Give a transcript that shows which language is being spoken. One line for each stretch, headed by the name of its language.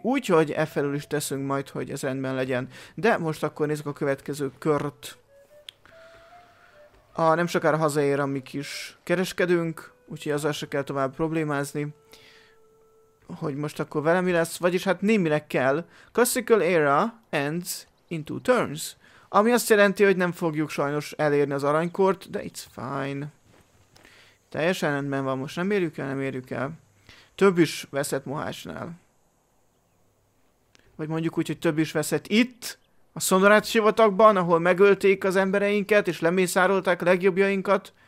Hungarian: Úgyhogy e felül is teszünk majd, hogy ez rendben legyen. De most akkor nézzük a következő kört. A nem sokára hazaér a mi kis kereskedünk, úgyhogy azzal se kell tovább problémázni. Hogy most akkor vele mi lesz, vagyis hát némileg kell.
English: Classical era ends in 2 turns.
Hungarian: Ami azt jelenti, hogy nem fogjuk sajnos elérni az aranykort, de
English: it's fine.
Hungarian: Teljesen rendben van, most nem érjük el. Több is veszett Mohácsnál. Vagy mondjuk úgy, hogy több is veszett itt, a Szondorát sivatagban, ahol megölték az embereinket, és lemészárolták a legjobbjainkat.